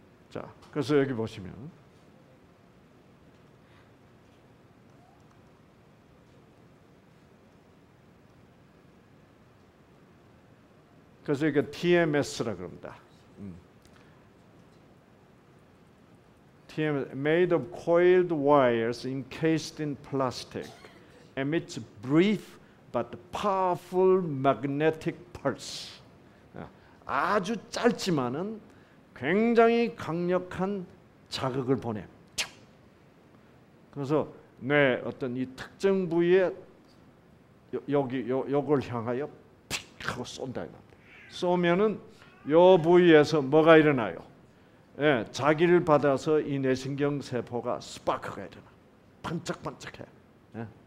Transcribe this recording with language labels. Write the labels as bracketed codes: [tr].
[ko] 자, 그래서 여기 보시면. 그래서 이게 TMS라 그럽니다. [en] TMS made of coiled wires encased in plastic emits brief but powerful magnetic pulse. [ko] 아주 짧지만은 굉장히 강력한 자극을 보내. 그래서 뇌 어떤 이 특정 부위에 여기 요걸 향하여 픽 하고 쏜다. 쏘면은 요 부위에서 뭐가 일어나요? 예, 자기를 받아서 이 뇌신경 세포가 스파크가 일어나. 반짝반짝해. 예?